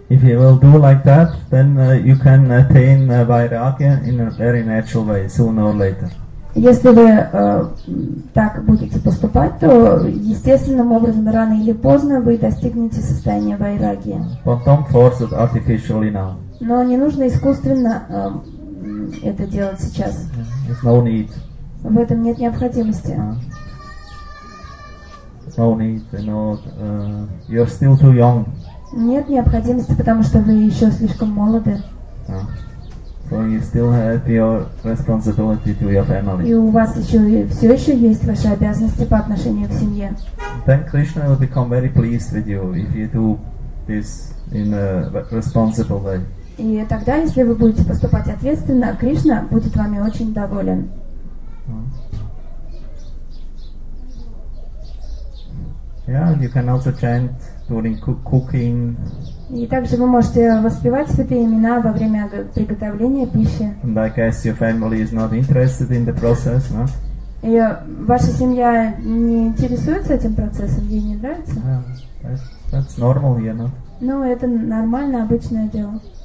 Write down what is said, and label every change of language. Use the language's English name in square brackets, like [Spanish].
[English] If you will do like that, then you can attain vairagya in a very natural way, sooner or later. [Russian] Если вы так будете поступать, то естественным образом рано или поздно вы достигнете состояния вайрагья. [English] But don't force it artificially now. [Russian] Но не нужно искусственно это делать сейчас. [English] There's no need. [Russian] В этом нет необходимости. [English] No need, you're still too young. [Russian] Нет необходимости, потому что вы еще слишком молоды. [English] So you still have your responsibility to your family. [Russian] И у вас все еще есть ваши обязанности по отношению к семье. [English] Then Krishna will become very pleased with you if you do this in a responsible way. [Russian] И тогда, если вы будете поступать ответственно, Кришна будет вами очень доволен. [English] Yeah, you can also chant during cooking. [Russian] И также вы можете воспевать святые имена во время приготовления пищи. [English] And I guess your family is not interested in the process, no? [Russian] И ваша семья не интересуется этим процессом, ей не нравится? [English] That's normal, you know. [Russian] Ну, это нормально, обычное дело.